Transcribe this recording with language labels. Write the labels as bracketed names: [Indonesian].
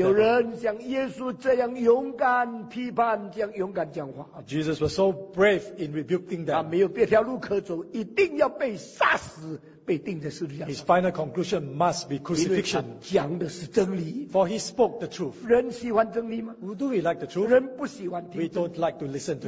[Chinese] 有人像耶稣这样勇敢批判，这样勇敢讲话。 [English] Jesus was so brave in rebuking them. [Chinese] 他没有别条路可走，一定要被杀死。被钉在十字架上。 [English] His final conclusion must be crucifixion. [Chinese] 因为他讲的是真理。 [English] For he spoke the truth. [Chinese] 人喜欢真理吗? [English] Do we like the truth? [Chinese] 人不喜欢听。 [English] We don't like to listen to the